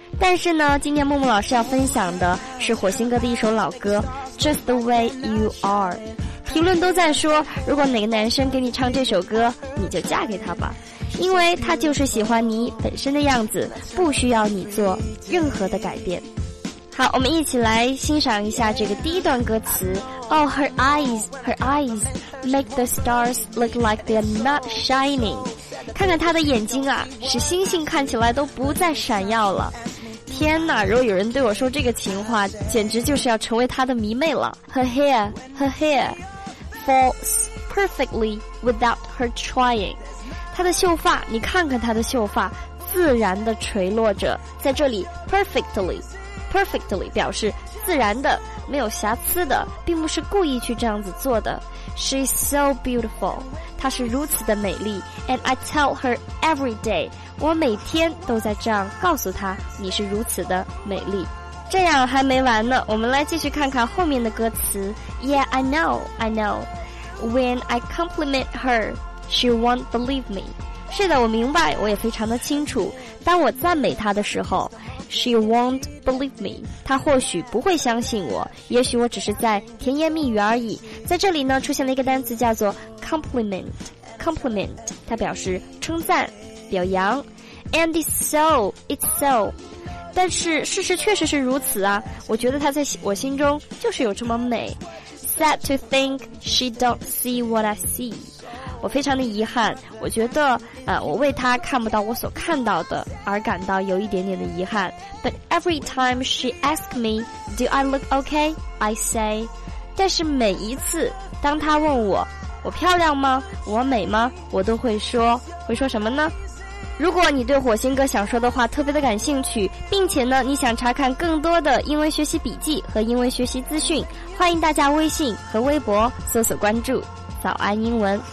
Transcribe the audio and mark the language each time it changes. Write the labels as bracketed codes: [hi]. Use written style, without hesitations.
[zh] 但是呢，今天木木老师要分享的是火星哥的一首老歌 Just the way you are。评论都在说，如果哪个男生给你唱这首歌，你就嫁给他吧，因为他就是喜欢你本身的样子，不需要你做任何的改变。好，我们一起来欣赏一下这个第一段歌词。 [en] Oh, her eyes make the stars look like they're not shining。 [zh] 看看她的眼睛啊，使星星看起来都不再闪耀了。天哪，如果有人对我说这个情话，简直就是要成为她的迷妹了。 [en] Her hair falls perfectly without her trying。 [zh] 她的秀发，你看看她的秀发，自然地垂落着。在这里 perfectly 表示自然的，没有瑕疵的，并不是故意去这样子做的。 [en] She's so beautiful， [zh] 她是如此的美丽。 [en] And I tell her every day， [zh] 我每天都在这样告诉她，你是如此的美丽。这样还没完呢，我们来继续看看后面的歌词。 [en] Yeah， I know When I compliment herShe won't believe me。 [zh] 是的，我明白，我也非常的清楚，当我赞美她的时候， [en] She won't believe me， [zh] 她或许不会相信我，也许我只是在甜言蜜语而已。在这里呢，出现了一个单词叫做 compliment， 它表示称赞表扬。 [en] And it's so， [zh] 但是事实确实是如此啊，我觉得她在我心中就是有这么美。 [en] Sad to think she don't see what I see， [zh] 我非常的遗憾，我觉得我为她看不到我所看到的而感到有一点点的遗憾。 [en] But every time she asks me Do I look okay? I say， [zh] 但是每一次当她问我，我漂亮吗？我美吗？我都会说，会说什么呢？如果你对火星哥想说的话特别的感兴趣，并且呢，你想查看更多的英文学习笔记和英文学习资讯，欢迎大家微信和微博搜索关注早安英文。